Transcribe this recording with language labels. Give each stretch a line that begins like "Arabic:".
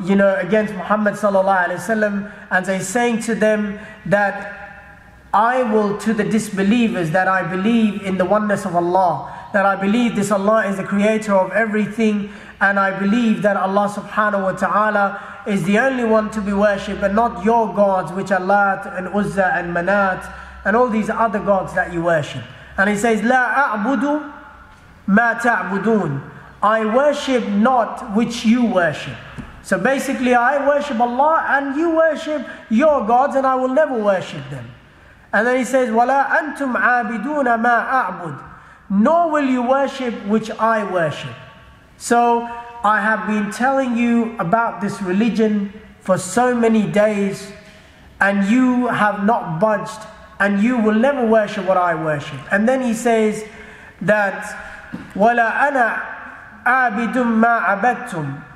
English: you know, against Muhammad sallallahu alaihi wasallam, and they saying to them that I will, to the disbelievers, that I believe in the oneness of Allah, that I believe this Allah is the creator of everything, and I believe that Allah subhanahu wa ta'ala is the only one to be worshipped, and not your gods, which are Lat and Uzza and Manat and all these other gods that you worship. And he says,
Arabic: La a'budu ma ta'budun.
English: I worship not which you worship. So basically, I worship Allah and you worship your gods, and I will never worship them. And then he says,
Arabic: وَلَا أَنْتُمْ عَابِدُونَ مَا أَعْبُدْ.
English: Nor will you worship which I worship. So I have been telling you about this religion for so many days, and you have not budged, and you will never worship what I worship. And then he says that,
Arabic: وَلَا أَنَا عَابِدٌ مَا عَبَدْتُمْ.